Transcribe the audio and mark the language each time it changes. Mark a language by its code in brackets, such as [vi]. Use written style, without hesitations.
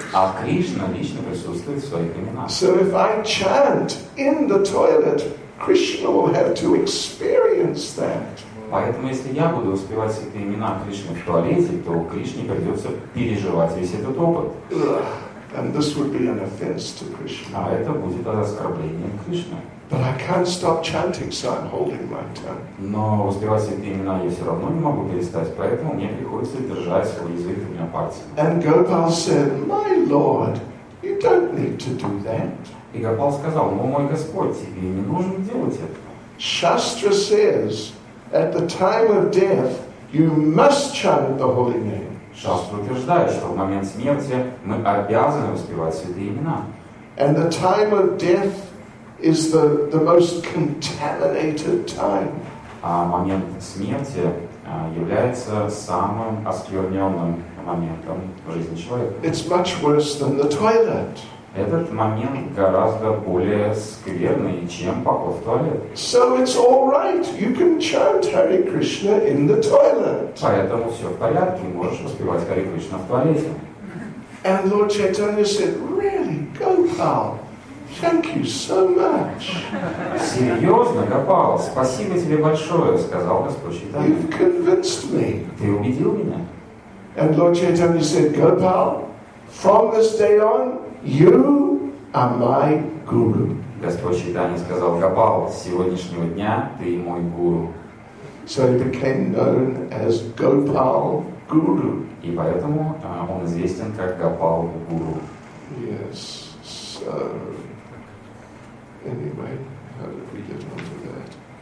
[ru] А Кришна лично присутствует в своих именах. [en] So if I chant in the toilet, Krishna will have to experience that. [ru] Поэтому, если я буду успевать святые имена Кришны в туалете, то Кришне придется переживать весь этот опыт. [en] And this would be an offense to Krishna. [ru] А это будет оскорблением Кришны. [en] But I can't stop chanting, so I'm holding my tongue. [ru] Но воспевать святые имена я все равно не могу перестать, поэтому мне приходится держать свой язык двумя пальцами. [en] And Gopal said, "My Lord, you don't need to do that." [ru] И Гопал сказал, "Но мой Господь, тебе не нужно делать это." [en] Shastra says, at the time of death, you must chant the holy name. [ru] Шастра утверждает, что в момент смерти мы обязаны воспевать святые имена. [en] And the time of death is the most contaminated time. [ru] А момент смерти является самым оскверненным моментом в жизни человека. [en] It's much worse than the toilet. [ru] Этот момент гораздо более скверный, чем поход в туалет. [en] So it's all right. You can chant Hare Krishna in the toilet. [ru] Поэтому все в порядке, можешь воспевать Hare Krishna в туалете. [en] And Lord Chaitanya said, "Really, Gopal, thank you so much." [ru] Серьезно, Гопал, спасибо тебе большое, сказал Господь Чайтанья. [en] You've convinced me. [ru] Ты убедил меня. [en] And Lord Chaitanya said, "Gopal, from this day on, you are my guru." [ru] Господь Чайтанья сказал, Гопал, с сегодняшнего дня ты мой гуру. [en] So he became known as Gopal Guru. [ru] И поэтому он известен как Гопал Гуру. [en] Yes. So anyway, how did we get onto that?